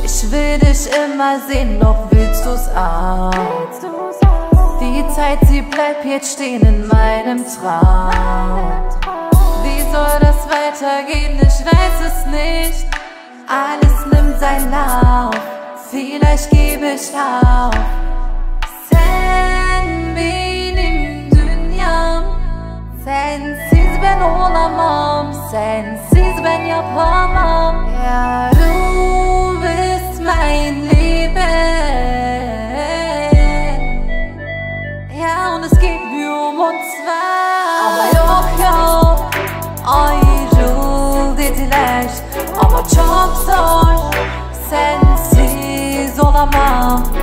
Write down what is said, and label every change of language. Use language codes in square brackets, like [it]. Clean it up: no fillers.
[de] will dich immer sehen, noch willst du's auch. Die Zeit, sie bleibt jetzt stehen in meinem Traum. Wie soll das weitergehen? Ich weiß es nicht. Alles nimmt seinen Lauf, vielleicht gebe ich auf. [tr] Sen benim dünyam, sensiz ben olamam, sensiz ben yapamam. [de] Du bist mein Leben, ja, und es geht mir um uns zwei. [tr] Aber yok yok, ayrıl dediler, ama çok zor, sensiz olamam.